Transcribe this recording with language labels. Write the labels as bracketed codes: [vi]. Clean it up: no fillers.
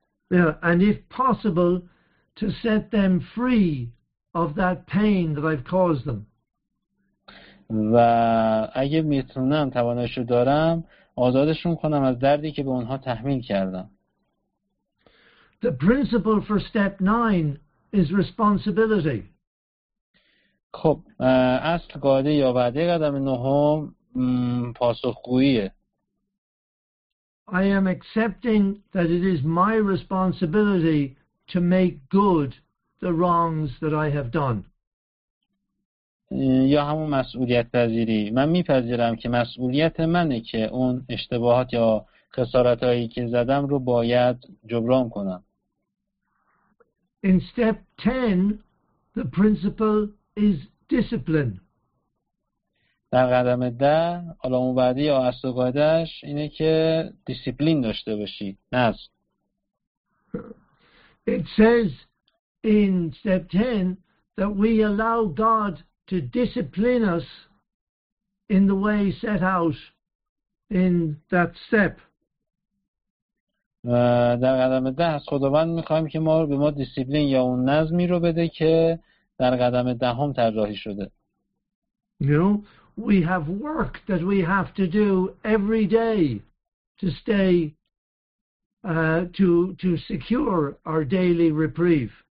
[en] And if possible to set them free of that pain that I've caused them. [fa] و اگه میتونم توانش رو دارم آزادشون کنم از دردی که به اونها تحمیل کردم. [en] The principle for step 9 is responsibility. [fa] خب اصل قاعده یا وعده قدم نهم پاسخگوییه. [en] I am accepting that it is my responsibility to make good the wrongs that I have done. [fa] یا همون مسئولیت پذیری. من میپذیرم که مسئولیت منه که اون اشتباهات یا خسارتایی که زدم رو باید جبران کنم. [en] In step 10, the principle is discipline. [fa] در قدم ده، حالا اون بعدی یا اصل قاعدهش اینه که دیسیپلین داشته باشی، نظم. [en] It says in step 10 that we allow God to discipline us in the way set out in that step. [fa] در قدم ده از خداوند میخوایم که ما به ما دیسیپلین یا اون نظمی رو بده که در قدم دهم طراحی شده. [en] You know, we have work that we have to do every day to stay to secure our daily reprieve.